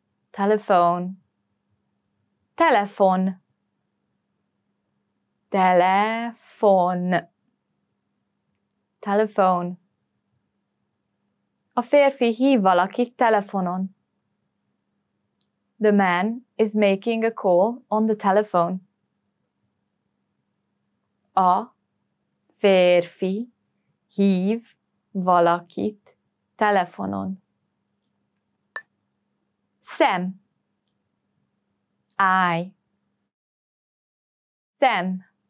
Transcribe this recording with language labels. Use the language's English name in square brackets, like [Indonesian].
[Hungarian] Telefon. Telefon. Telefon. Telefon. A férfi hív valakit telefonon. [English] The man is making a call on the telephone. [Hungarian] A férfi hív valakit telefonon. Szem. [English] Eye. [Hungarian] Szem.